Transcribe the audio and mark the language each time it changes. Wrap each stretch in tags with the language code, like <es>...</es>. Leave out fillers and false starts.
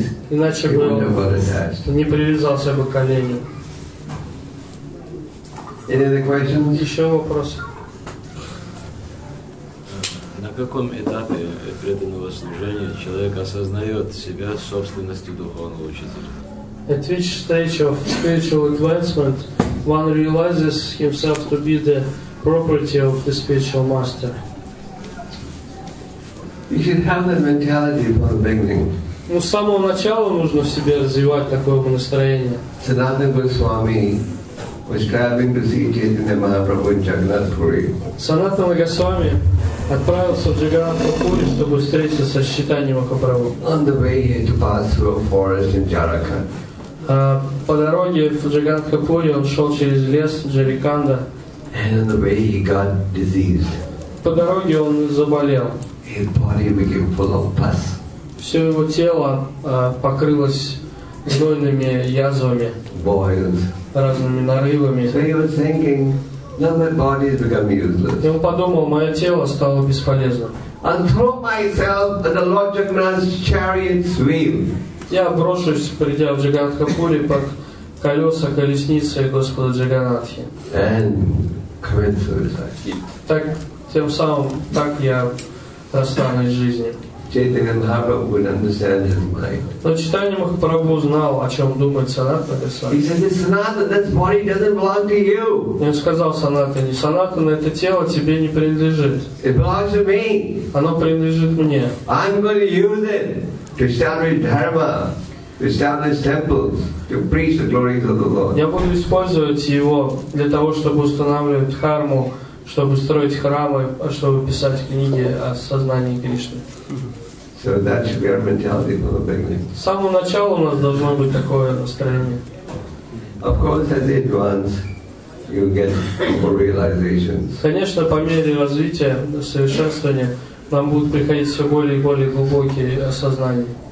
<ru>Иначе бы он не привязался бы к колени.</ru> <en>Any other questions?</en> <ru>Еще вопросы? На каком этапе преданного служения человек осознает себя собственностью духовного учителя?</ru> <en>At which stage of spiritual advancement one realizes himself to be the property of the spiritual master? You should have that mentality from the beginning.</en> <ru>Ну, с самого начала нужно в себе развивать такое настроение.</ru> <en>Siddhartha Goswami was traveling to see Chaitanya Mahaprabhu in Jagannath Puri.</en> <ru>Sanatana Goswami отправился в Джаганатхапури, чтобы встретиться со Чайтаньей Махапрабху.</ru> <en>On the way he had to pass through a forest in Jharkhand.</en> <ru>По дороге в Джаганатхапури он шел через лес Джариканда.</ru> <en>And on the way he got diseased.</en> <ru>По дороге он заболел.</ru> <en>His body became full of pus.</en> <ru>Все его тело покрылось гнойными язвами.</ru> <en>Boils.</en> <ru>Разными нарывами.</ru> <en>So he was thinking, now my body has become useless.</en> <ru>И он подумал, мое тело стало бесполезным.</ru> <en>And throw myself at the Lord Jagannath's chariot's wheel.</en> <ru>Я брошусь, придя в Джаганатхапури под колеса колесницы Господа Джаганатхи.</ru> <en>And commit suicide.</en> <ru>Так, тем самым, так я расстанусь с жизнью.</ru> <en>Chaitanya Mahaprabhu would understand his mind.</en> <ru>Но Чайтанья Махапрабху знал, о чем думает Санатана Госвами.</ru> <en>He said, "Санатана, this body doesn't belong to you."</en> <ru>И он сказал Санатане, "Санатана, это тело тебе не принадлежит."</ru> <en>It belongs to me.</en> <ru>Оно принадлежит мне.</ru> <en>I'm going to use it to establish dharma, to establish temples, to preach the glories of the Lord.</en> <ru>Я буду использовать его для того, чтобы устанавливать дхарму, чтобы строить храмы, чтобы писать книги о сознании Кришны.</ru> <en>So that should be our mentality from the beginning.</en> <ru>С самого начала у нас должно быть такое настроение.</ru> <en>Of course, as it advances, you get more realizations.</en> <ru>Конечно, по мере развития, совершенствования, нам будут приходить все более и более глубокие осознания.</ru>